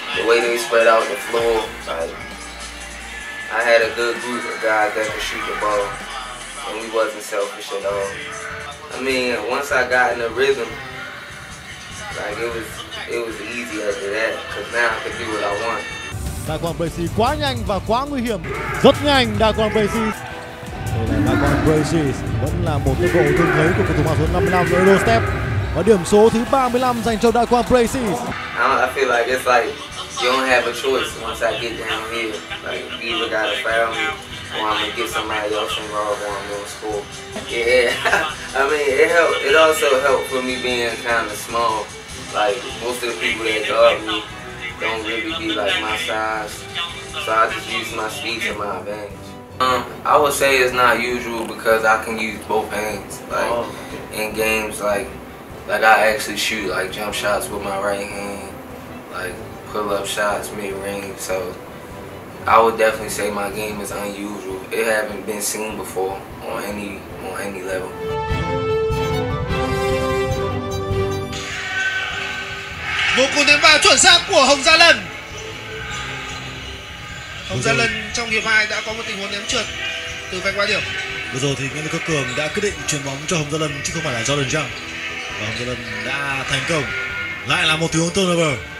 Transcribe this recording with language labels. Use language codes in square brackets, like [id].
[en] The way they spread out the floor. Like, I had a good group of guys that could shoot the ball. And we wasn't selfish at all. I mean, once I got in the rhythm, like it was easy after that, cause now I can do what I want. [vi] Đà Quang Bê Xì quá nhanh và quá nguy hiểm. Rất nhanh, Đà Quang Bê Xì. Đà Quang Bê Xì vẫn là một tốc độ thường thấy của cầu thủ mang số 55 Eurostep. Và điểm số thứ 35 dành cho Đà Quang Bê Xì. [en] I feel like it's like you don't have a choice once I get down here. Like either gotta foul me or I'm gonna get somebody else involved or I'm gonna score. Yeah, I mean it helped. It also helped for me being kind of small. Like most of the people that guard me don't really be like my size, so I just use my speed to my advantage. I would say it's not usual because I can use both hands, like in games, like I actually shoot like jump shots with my right hand, like pull up shots mid range. So I would definitely say my game is unusual. It haven't been seen before on any level. [vi] Một cú ném vào chuẩn xác của Hồng Gia Lân. Hồng Gia Lân trong hiệp 2 đã có một tình huống ném trượt từ vạch 3 điểm. Vừa rồi thì Nguyễn Đức Cường đã quyết định chuyền bóng cho Hồng Gia Lân chứ không phải là Jordan Zhang. Và Hồng Gia Lân đã thành công. Lại là một tình huống turnover.